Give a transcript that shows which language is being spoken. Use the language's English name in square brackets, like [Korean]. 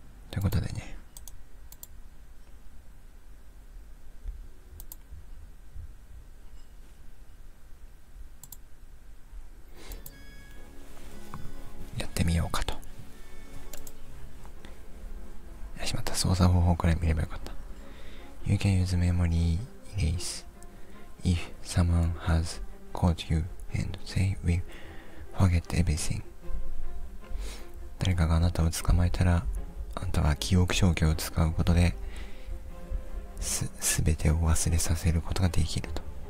[Japanese] ということでね、やってみようかと。やしまった、操作方法くらい見ればよかった。 [English] You can use memory erase if someone has caught you and they will forget everything。 [Japanese] 誰かがあなたを捕まえたら、あんたは記憶消去を使うことで全てを忘れさせることができると。